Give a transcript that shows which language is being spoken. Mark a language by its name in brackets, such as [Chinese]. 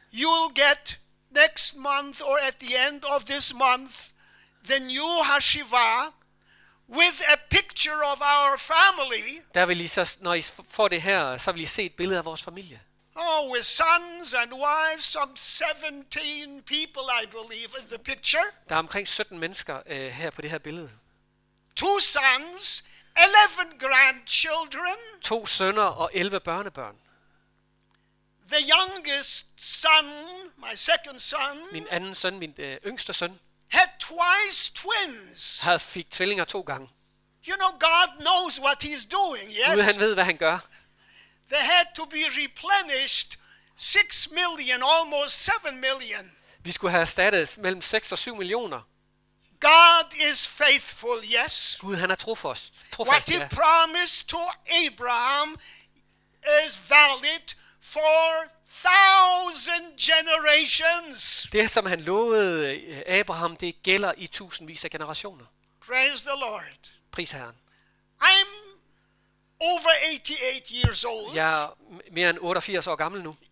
[English] you'll get next month or at the end of this month the new Hashiva with a picture of our family. [Danish] Der vil I så, når I får det her, så vil I se et billede af vores familie. [English] Oh, with sons and wives, some 17 people, I believe, in the picture. [Danish] Der er omkring 17 mennesker her på det her billede. [English] Two sons, 11 grandchildren. [Danish] To sønner og 11 børnebørn. [English] The youngest son, my second son. [Danish] Min anden søn, min yngste søn. [English] Had twice twins. [Danish] Havde fik tvillinger to gange. [English] You know, God knows what he's doing, yes? [Danish] Gud, han ved, hvad han gør. [English] They had to be replenished 6 million, almost 7 million. [Danish] Vi skulle have erstattet mellem 6 og 7 millioner. [English] God is faithful, yes? [Danish] Gud, han er trofast. [English] What he promised to Abraham is valid for thousand generations. [Danish] Det som han lovede Abraham, det gælder i tusindvis af generationer. [English] Praise the Lord. [Danish] Pris Herren. [English] I'm over 88 years old. [Danish] Jeg er mere end 88 år gammel nu.